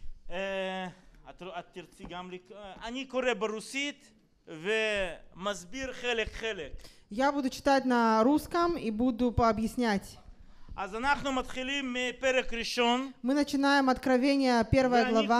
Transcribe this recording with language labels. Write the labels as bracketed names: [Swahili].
[Hebrew] את תרצי גם אני קורא ברוסית ומסביר חלק חלק. [Russian] Я буду читать на русском и буду пообъяснять. [Hebrew] אז אנחנו מתחילים מפרק ראשון. [Russian] Мы начинаем откровение, первая глава.